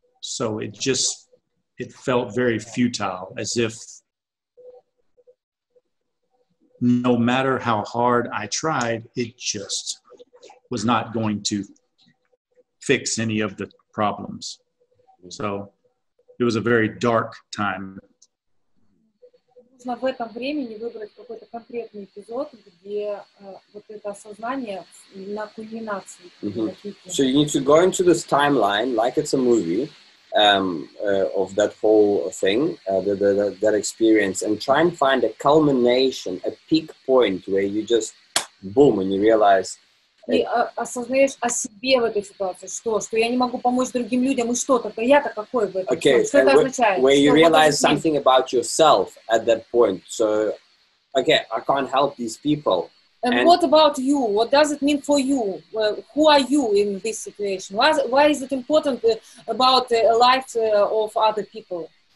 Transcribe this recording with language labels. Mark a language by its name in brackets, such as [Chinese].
[English] So it just, it felt very futile, as if no matter how hard I tried, it just was not going to fix any of the problems. So it was a very dark time. [Russian] Нужно в этом времени выбрать какой-то конкретный эпизод, где вот это осознание на кульминации. Mm-hmm. [English] So you need to go into this timeline like it's a movie. Of that whole thing, that experience, and try and find a culmination, a peak point where you just boom and you realize. [Russian] И осознаешь о себе в этой ситуации, что я не могу помочь другим людям, и что тогда я-то какой в этом? [English] Okay, [Russian] что это означает? [English] Where you realize something about yourself at that point. So, okay, I can't help these people. And what about you? What does it mean for you? Well, who are you in this situation? Why is it important about the life of other people?